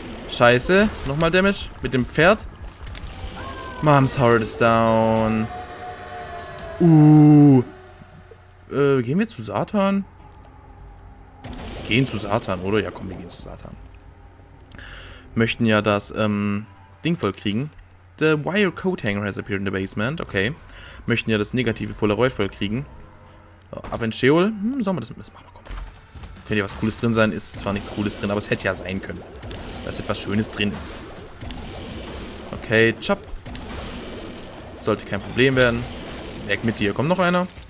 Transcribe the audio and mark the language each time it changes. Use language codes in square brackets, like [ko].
[de] Scheiße. Nochmal Damage. Mit dem Pferd. [en] Mom's Heart is down. [de] Gehen wir zu Satan? Gehen zu Satan, oder? Ja, komm, wir gehen zu Satan. Möchten ja, dass Ding voll kriegen. [en] The wire coat hanger has appeared in the basement. Okay. [de] Möchten ja das negative Polaroid voll kriegen. Ab in Sheol. Sollen wir das mitmachen? Mal gucken. Könnte ja was Cooles drin sein. Ist zwar nichts Cooles drin, aber es hätte ja sein können, dass etwas Schönes drin ist. Okay, chop. Sollte kein Problem werden. Weg mit dir. Kommt noch einer?